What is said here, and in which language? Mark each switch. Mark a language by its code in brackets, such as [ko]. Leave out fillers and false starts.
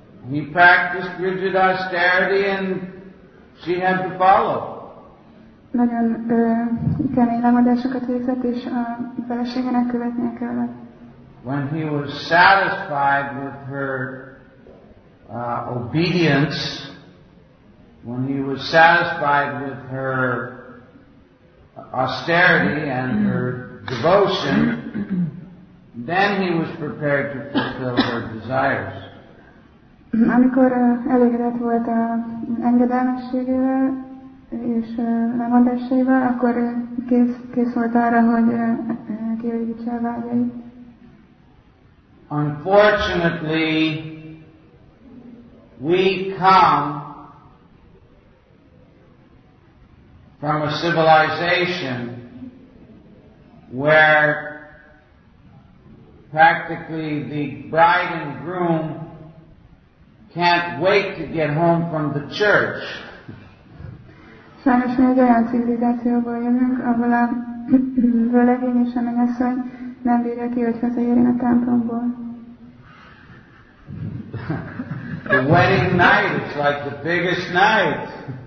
[en] He practiced rigid austerity and she had to follow. [hu] Nagyon kemény lemondásokat végzett, és a feleségének követnie kellett. [en] When he was satisfied with her obedience, when he was satisfied with her austerity and her devotion, then he was prepared to fulfill her desires. [hu] Amikor elégedett volt a engedelmességével és lemondásaival, akkor kész volt arra, hogy kielégítse a vágyait. [en] Unfortunately, we come from a civilization where practically the bride and groom can't wait to get home from the church. [hu] Sajnos mi egy olyan civilizációból jövünk, ahol a vőlegény és a menyasszony nem bírja ki, hogy hazaérjen a templomból. [en] The wedding night is like the biggest night.